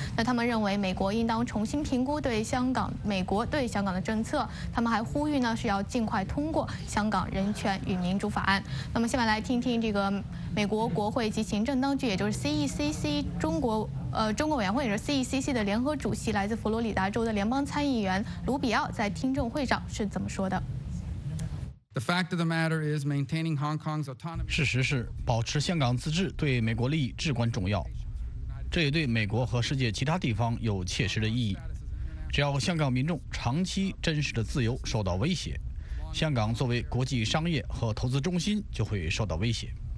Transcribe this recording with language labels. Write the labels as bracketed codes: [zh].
[zh] 那他们认为美国应当重新评估对香港，美国对香港的政策，他们还呼吁呢是要尽快通过香港人权与民主法案。那么下面来听听这个美国国会及行政当局，也就是 CECC 中国委员会，也就是 CECC 的联合主席，来自佛罗里达州的联邦参议员卢比奥在听证会上是怎么说的。 [en] The fact of the matter is maintaining Hong Kong's autonomy. [zh] 事实是，保持香港自治对美国利益至关重要，这也对美国和世界其他地方有切实的意义。只要香港民众长期真实的自由受到威胁，香港作为国际商业和投资中心就会受到威胁。